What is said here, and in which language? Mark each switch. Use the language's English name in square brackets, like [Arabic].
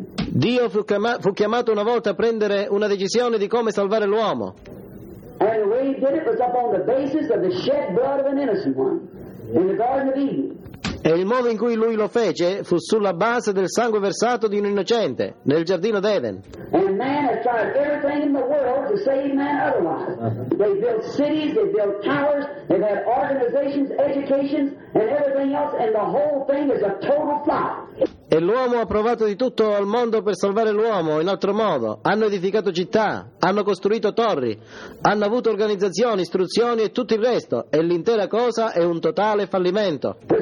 [Italian] Dio fu chiamato una volta a prendere una decisione di come salvare l'uomo. [English] And the way he did it was up on the basis of the shed blood of an innocent one in the Garden of Eden. [Italian] E il modo in cui lui lo fece fu sulla base del sangue versato di un innocente nel giardino d'Eden. [English] And man has tried everything in the world to save man otherwise. Uh-huh. They built cities, they built towers, they had organizations, educations, and everything else, and the whole thing is a total flop. [Italian] E l'uomo ha provato di tutto al mondo per salvare l'uomo in altro modo. Hanno edificato città, hanno costruito torri, hanno avuto organizzazioni, istruzioni e tutto il resto. E l'intera cosa è un totale fallimento.